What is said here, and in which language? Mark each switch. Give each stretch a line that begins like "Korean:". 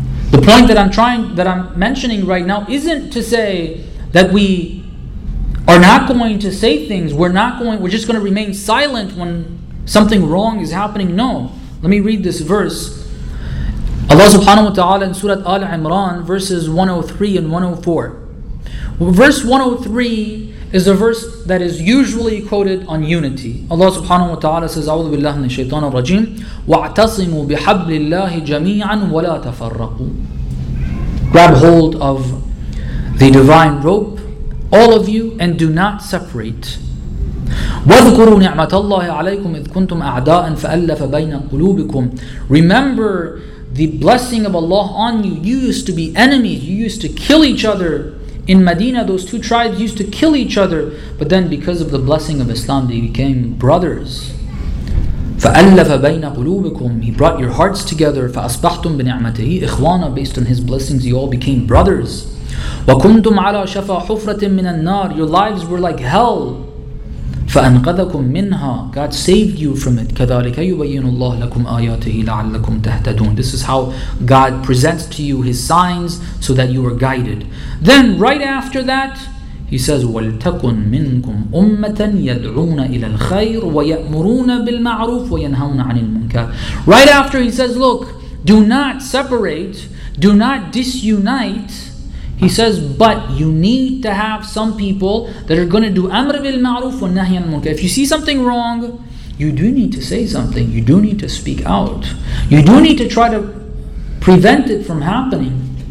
English: The point that I'm mentioning right now isn't to say that we are not going to say things, we're just going to remain silent when something wrong is happening. No. Let me read this verse. Allah subhanahu wa ta'ala in Surah Al-Imran, verses 103 and 104. Verse 103 is a verse that is usually quoted on unity. Allah subhanahu wa ta'ala says,
Arabic: أعوذ بالله من الشيطان الرجيم وَاعْتَصِمُوا بِحَبْلِ اللَّهِ جَمِيعًا وَلَا تَفَرَّقُوا.
English: Grab hold of the divine rope, all of you, and do not separate.
Arabic: وَذْكُرُوا نِعْمَةَ اللَّهِ عَلَيْكُمْ إِذْ كُنْتُمْ أَعْدَاءً فَأَلَّفَ بَيْنَ قُلُوبِكُمْ.
English: Remember the blessing of Allah on you. You used to be enemies. You used to kill each other. In Medina, those two tribes used to kill each other. But then because of the blessing of Islam, they became brothers.
Arabic: فَأَلَّفَ بَيْنَ قُلُوبِكُمْ.
English: He brought your hearts together.
Arabic: فَأَصْبَحْتُمْ بِنِعْمَتِهِ إِخْوَانًا.
English: Based on his blessings, you all became brothers.
Arabic: وَكُنْتُمْ عَلَى شَفَى حُفْرَةٍ مِّنَ النَّارِ.
English: Your lives were like hell.
Arabic: فَأَنْقَذَكُمْ مِنْهَا.
English: God saved you from it.
Arabic: كَذَلِكَ يُبَيِّنُ اللَّهُ لَكُمْ آيَاتِهِ لَعَلَّكُمْ تَهْتَدُونَ.
English: This is how God presents to you His signs so that you are guided. Then right after that, He says,
Arabic: وَلْتَكُنْ مِنْكُمْ أُمَّةً يَدْعُونَ إِلَى الْخَيْرِ وَيَأْمُرُونَ بِالْمَعْرُوفِ وَيَنْهَوْنَ عَنِ الْمُنْكَرِ.
English: Right after He says, look, do not separate, do not disunite. He says, but you need to have some people that are going to do amr bil ma'ruf wa nahy al munkar. If you see something wrong, you do need to say something. You do need to speak out. You do need to try to prevent it from happening.